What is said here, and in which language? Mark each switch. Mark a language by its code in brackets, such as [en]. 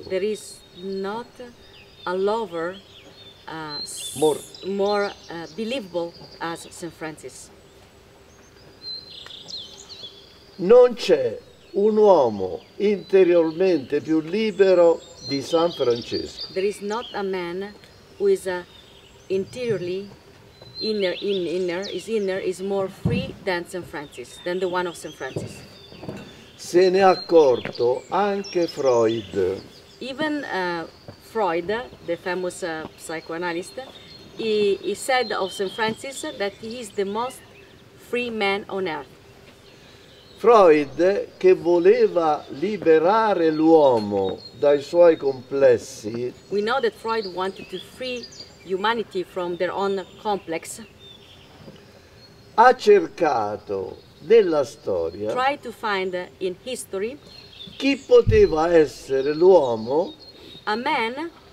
[en] There is not a lover more believable as Saint Francis. [it] Non c'è un uomo interiormente più libero di San Francesco. [en] There is not a man who is interiorly is more free than Saint Francis, than the one of Saint Francis. [it] Se ne è accorto anche Freud. [en] Even Freud, the famous psychoanalyst, he said of St. Francis that he is the most free man on earth. [it] Freud, che voleva liberare l'uomo dai suoi complessi. [en] We know that Freud wanted to free humanity from their own complex. [it] Ha cercato nella storia, [en] try to find in history, [it] chi poteva essere l'uomo, [en] a man,